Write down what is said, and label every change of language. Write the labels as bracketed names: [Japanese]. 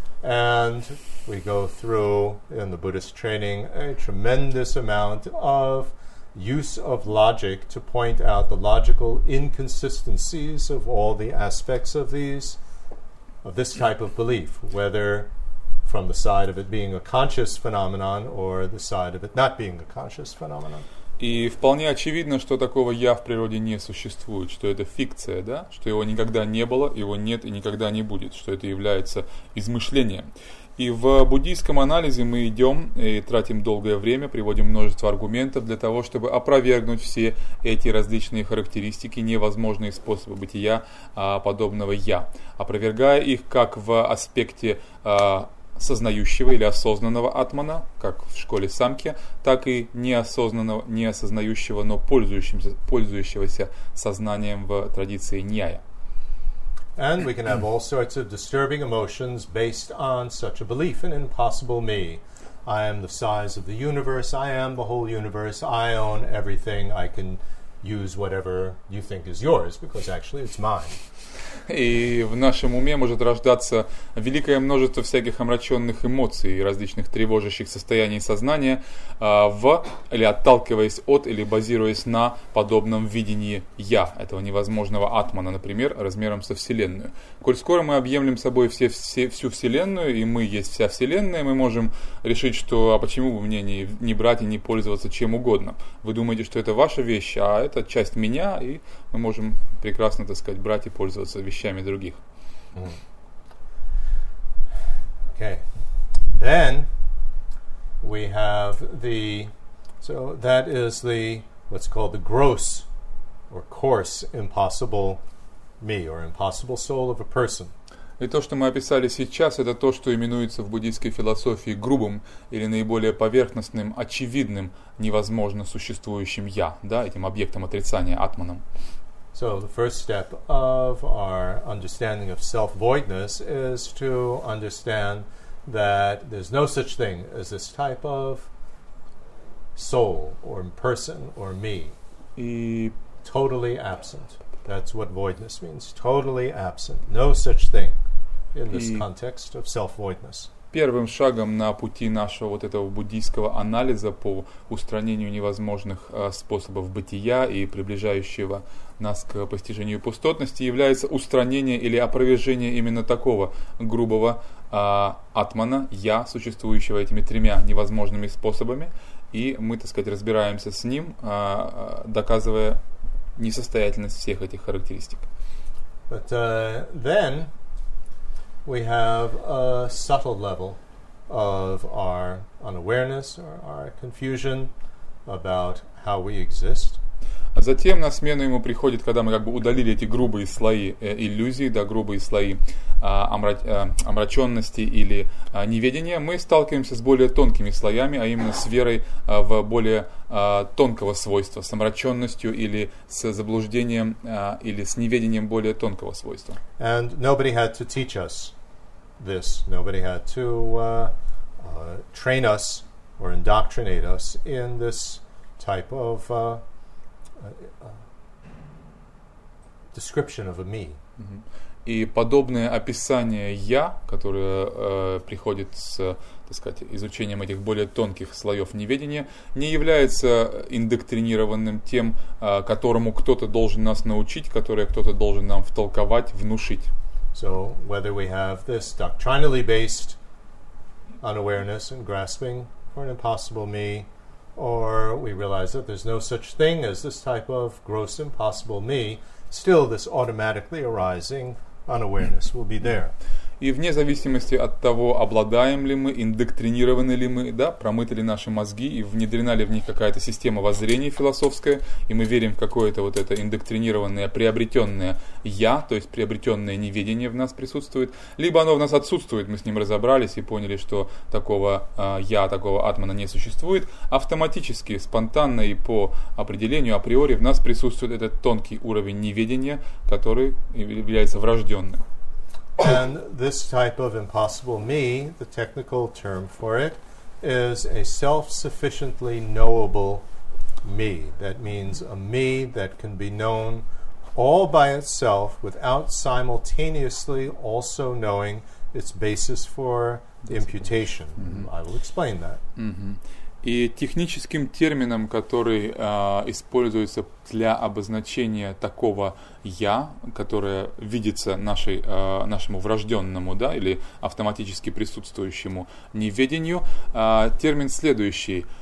[English] And we go through in the Buddhist training a tremendous amount of use of logic to point out the logical inconsistencies of all the aspects of these, of this type of belief, whether from the side of it being a conscious phenomenon or the side of it not being a conscious phenomenon. [Russian] И вполне очевидно, что такого «я» в природе не существует, что это фикция, да, что его никогда не было, его нет и никогда не будет, что это является измышлением. И в буддийском анализе мы идем и тратим долгое время, приводим множество аргументов для того, чтобы опровергнуть все эти различные характеристики, невозможные способы бытия подобного «я», опровергая их как в аспекте сознающего или осознанного атмана, как в школе самки, так и неосознанного, неосознающего, но пользующегося сознанием в традиции ньяя. [English] And we can have all sorts of disturbing emotions based on such a belief, an impossible me. I am the size of the universe, I am the whole universe, I own everything, I can use whatever you think is yours, because actually it's mine. [Russian] И в нашем уме может рождаться великое множество всяких омраченных эмоций и различных тревожащих состояний сознания, в или отталкиваясь от, или базируясь на подобном видении «я», этого невозможного атмана, например, размером со Вселенную. Коль скоро мы объемлем собой всю Вселенную, и мы есть вся Вселенная, мы можем решить, что а почему бы мне не брать и не пользоваться чем угодно. Вы думаете, что это ваша вещь, а это часть меня, и мы можем прекрасно, так сказать, брать и пользоваться вещами других. [English] Okay. Then we have the, so that is the what's called the gross or coarse impossible me or impossible soul of a person. [Russian] И то, что мы описали сейчас, это то, что именуется в буддийской философии грубым или наиболее поверхностным, очевидным, невозможно существующим я, да, этим объектом отрицания, атманом. [English] So the first step of our understanding of self-voidness is to understand that there's no such thing as this type of soul or person or me. Totally absent. That's what voidness means. Totally absent. No such thing in this context of self-voidness. [Russian] Первым шагом на пути нашего вот этого буддийского анализа по устранению невозможных способов бытия и приближающего нас к постижению пустотности является устранение или опровержение именно такого грубого атмана, я, существующего этими тремя невозможными способами. И мы, так сказать, разбираемся с ним, доказывая несостоятельность всех этих характеристик. [English] But, then... We have a subtle level of our unawareness or our confusion about how we exist. [Russian] А затем на смену ему приходит, когда мы как бы удалили эти грубые слои иллюзий, да, грубые слои омраченности или неведения, мы сталкиваемся с более тонкими слоями, а именно с верой в более тонкого свойства, с омраченностью или с заблуждением или с неведением более тонкого свойства. [English] And nobody had to teach us this. Nobody had to train us or indoctrinate us in this type of description of a me. [Russian] И подобное описание я, которое приходит с, так сказать, изучением этих более тонких слоев неведения, не является индоктринированным тем, которому кто-то должен нас научить, которое кто-то должен нам втолковать, внушить. [English] So whether we have this doctrinally based unawareness and grasping for an impossible me, or we realize that there's no such thing as this type of gross impossible me, still this automatically arising unawareness will be there. [Russian] И вне зависимости от того, обладаем ли мы, индоктринированы ли мы, да, промыты ли наши мозги и внедрена ли в них какая-то система воззрения философская, и мы верим в какое-то вот это индоктринированное, приобретенное «я», то есть приобретенное неведение в нас присутствует, либо оно в нас отсутствует, мы с ним разобрались и поняли, что такого «я», такого атмана не существует, автоматически, спонтанно и по определению, априори, в нас присутствует этот тонкий уровень неведения, который является врожденным. [English] And this type of impossible me, the technical term for it, is a self-sufficiently knowable me. That means a me that can be known all by itself without simultaneously also knowing its basis for imputation. Mm-hmm. I will explain that. Mm-hmm. [Russian] И техническим термином, который используется для обозначения такого «я», которое видится нашей, нашему врожденному, да, или автоматически присутствующему неведению, термин следующий.